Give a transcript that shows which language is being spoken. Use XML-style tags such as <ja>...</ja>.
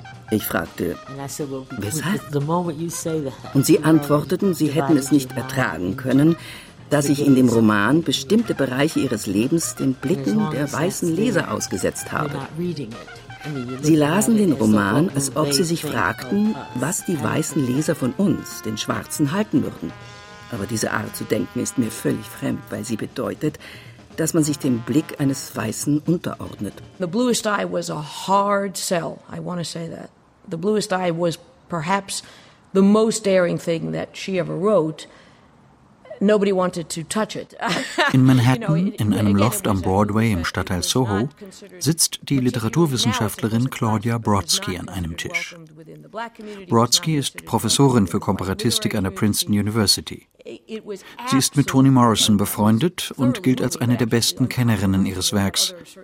<de>Ich fragte, weshalb? Und sie antworteten, sie hätten es nicht ertragen können, dass ich in dem Roman bestimmte Bereiche ihres Lebens den Blicken der weißen Leser ausgesetzt habe. Sie lasen den Roman, als ob sie sich fragten, was die weißen Leser von uns, den Schwarzen, halten würden. Aber diese Art zu denken ist mir völlig fremd, weil sie bedeutet, dass man sich dem Blick eines Weißen unterordnet.</de> <en>The Bluest Eye was a hard sell, I want to say that. The Bluest Eye was perhaps the most daring thing that she ever wrote. Nobody wanted to touch it.</en> <de>In Manhattan, in einem Loft am Broadway im Stadtteil Soho, sitzt die Literaturwissenschaftlerin Claudia Brodsky an einem Tisch. Brodsky ist Professorin für Komparatistik an der Princeton University. Sie ist mit Toni Morrison befreundet und gilt als eine der besten Kennerinnen ihres Werks.</de>